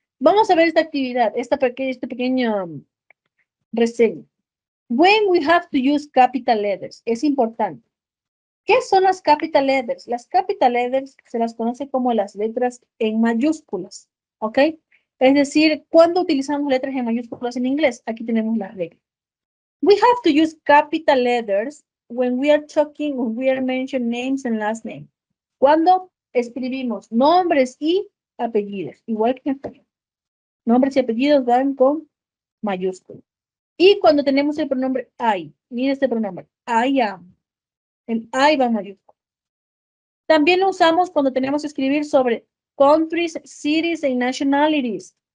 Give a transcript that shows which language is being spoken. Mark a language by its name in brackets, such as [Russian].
[Spanish] Vamos a ver esta actividad. Este pequeño reseña. [English] When we have to use capital letters. [Spanish] Es importante. ¿Qué son las [English] capital letters? [Spanish] Las capital letters se las conoce como las letras en mayúsculas. ¿Ok? Es decir, ¿cuándo utilizamos letras en mayúsculas en inglés? Aquí tenemos la regla. [English] We have to use capital letters when we are talking, when we are mentioning names and last name. [Spanish] Cuando escribimos nombres y apellidos, igual que en español. Nombres y apellidos van con mayúsculas. Y cuando tenemos el pronombre I, mira este pronombre, I am. El I va mayúsculo. También lo usamos cuando tenemos que escribir sobre [English] countries, cities and nationalities.